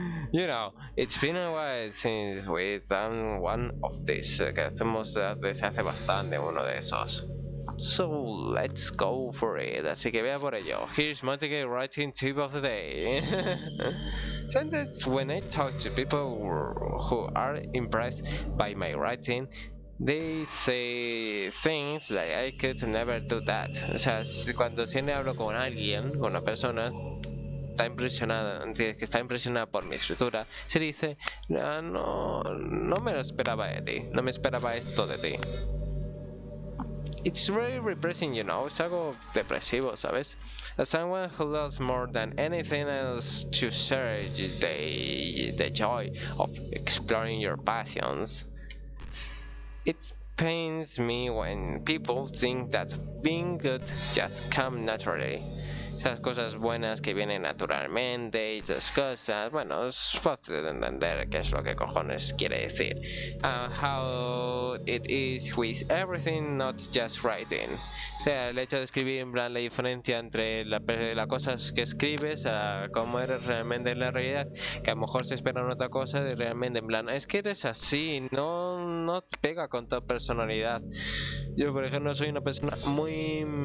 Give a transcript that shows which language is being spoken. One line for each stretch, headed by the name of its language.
English: You know, it's been a while since we've done one of these.
Spanish: Que hacemos desde hace bastante uno de esos.
English: So, let's go for it.
Spanish: Así que vea por ello.
English: Here's Montague writing tip of the day. Sometimes when I talk to people who are impressed by my writing, they say things like I could never do that.
Spanish: O sea, cuando siempre hablo con alguien, con una persona, está impresionada, que está impresionada por mi escritura, se dice, no me lo esperaba de ti, no me esperaba esto de ti.
English: It's very depressing, you know.
Spanish: Es algo depresivo, ¿sabes?
English: As someone who loves more than anything else to search the joy of exploring your passions, it pains me when people think that being good just comes naturally.
Spanish: Esas cosas buenas que vienen naturalmente, esas cosas, bueno, es fácil de entender qué es lo que cojones quiere decir.
English: And how it is with everything, not just writing.
Spanish: O sea, el hecho de escribir, en plan, la diferencia entre las cosas que escribes a cómo eres realmente en la realidad, que a lo mejor se espera otra cosa de realmente, en plan, es que eres así, no te pega con tu personalidad. Yo, por ejemplo, soy una persona muy...